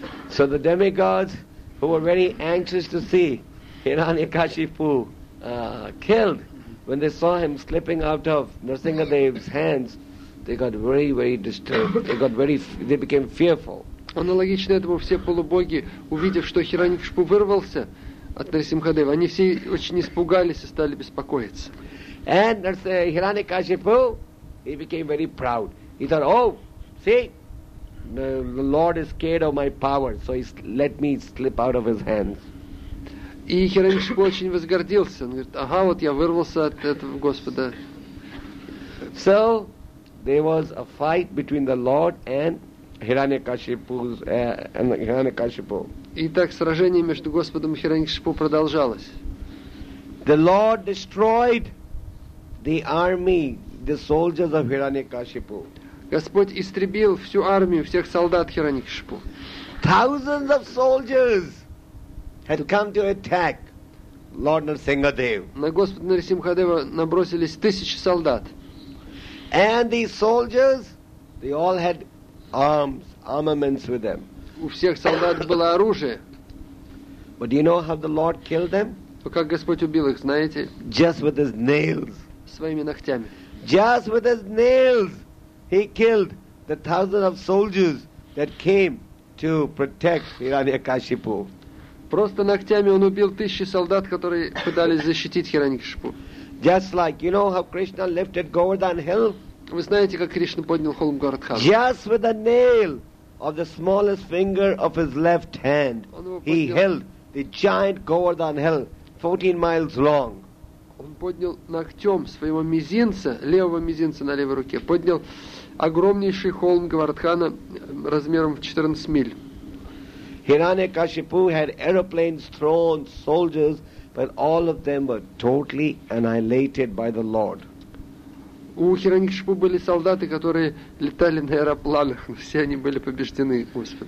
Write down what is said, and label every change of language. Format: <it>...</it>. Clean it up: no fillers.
<en>So the demigods, who were very anxious to see Hiranyakashipu killed, when they saw him slipping out of Narasimhadev's hands, they got very, very disturbed. They became fearful.</en> <ru>Аналогично этому все полубоги, увидев, что Хираньякшипу вырвался от Нарисимхадева, они все очень испугались и стали беспокоиться.</ru> <en>And Hiranyakashipu, he became very proud. He thought, oh, see, the Lord is scared of my power, so he let me slip out of his hands.</en> <ru>И Хираньякшипу очень возгордился. Он говорит, ага, вот я вырвался от этого Господа.</ru> <en>So, there was a fight between the Lord and Hiranyakashipu.</en> <ru>Итак, сражение между Господом и Хираньякшипу продолжалось.</ru> <en>The Lord destroyed the army, the soldiers of Hiranyakashipu.</en> <ru>Господь истребил всю армию, всех солдат Хираньякшипу.</ru> <en>Thousands of soldiers had come to attack Lord Narasimhadev.</en> <ru>На Господа Нарисимхадева набросились тысячи солдат.</ru> <en>And these soldiers, they all had armaments with them.</en> <ru>У всех солдат было оружие.</ru> <en>But do you know how the Lord killed them?</en> <ru>Как Господь убил их, знаете?</ru> <en>Just with his nails.</en> <ru>Своими ногтями.</ru> <en>Just with his nails, he killed the thousands of soldiers that came to protect Hiranyakashipu.</en> <ru>Просто ногтями он убил тысячи солдат, которые пытались защитить Хираньякашипу.</ru> <en>Just like, you know how Krishna lifted Govardhan Hill?</en> <ru>Вы знаете, как Кришна поднял холм Говардхан?</ru> <en>Just with a nail of the smallest finger of his left hand, he held the giant Govardhan Hill, 14 miles long.</en> <ru>Он поднял ногтем своего мизинца, левого мизинца на левой руке, поднял огромнейший холм Говардхана размером в 14 миль.</ru> <en>Hiranyakashipu had aeroplanes, thrones, soldiers, but all of them were totally annihilated by the Lord.</en> <ru>У Хираньякашипу были солдаты, которые летали на аэропланах, но все они были побеждены Господом.</ru>